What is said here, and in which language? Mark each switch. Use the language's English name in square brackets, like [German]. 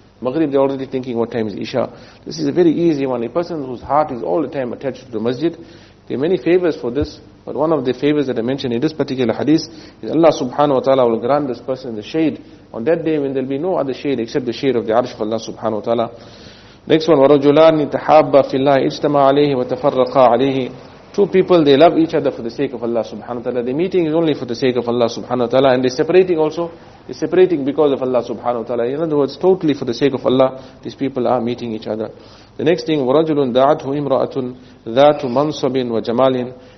[English] Maghrib, they're already thinking what time is Isha. This is a very easy one. A person whose heart is all the time attached to the masjid, there are many favors for this, but one of the favors that I mentioned in this particular hadith is Allah subhanahu wa ta'ala will grant this person the shade on that day when there'll be no other shade except the shade of the arsh of Allah subhanahu wa ta'ala. Next one, [Arabic] وَرَجُلَانِ تَحَابَّ فِي اللَّهِ اِجْتَمَعَ عَلَيْهِ وَتَفَرَّقَ عَلَيْهِ. [English] Two people, they love each other for the sake of Allah subhanahu wa ta'ala. The meeting is only for the sake of Allah subhanahu wa ta'ala. And they're separating also. They're separating because of Allah subhanahu wa ta'ala. In other words, totally for the sake of Allah, these people are meeting each other. The next thing, [Arabic] وَرَجُلٌ دَعَتْهُ إِمْرَأَةٌ ذَاتُ مَنْصَبٍ وَجَمَالٍ.